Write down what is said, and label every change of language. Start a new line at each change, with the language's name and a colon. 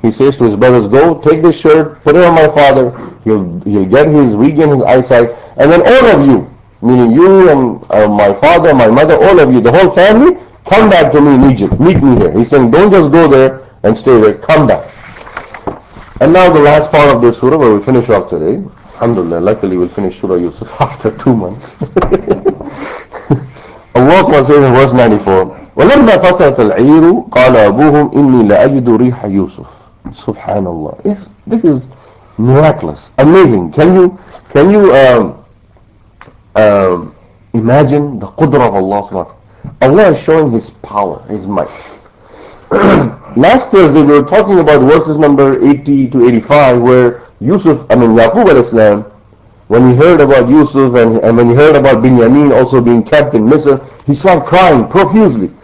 English: He says to his brothers, go, take this shirt, put it on my father, he'll get his, regain his eyesight, and then all of you, meaning you and my father, my mother, all of you, the whole family, come back to me in Egypt, meet me here. He's saying, don't just go there and stay there, come back. And now the last part of this surah where we finish off today, alhamdulillah, luckily we'll finish Surah Yusuf after 2 months. Allah says in verse 94,
Arabic: وَلَمَّا فَصَلَتِ الْعِيرُ قَالَ أَبُوهُمْ إِنِّي لَأَجِدُ رِيحَ يُوسُفَ.
English: Subhanallah. This is miraculous, amazing. Can you imagine the qudra of Allah subhanahu wa ta'ala? Allah is showing His power, His might. Last Thursday we were talking about verses number 80 to 85 where Yaqub alayhi salam, when he heard about Yusuf and when he heard about Binyamin also being kept in Misr, he started crying profusely.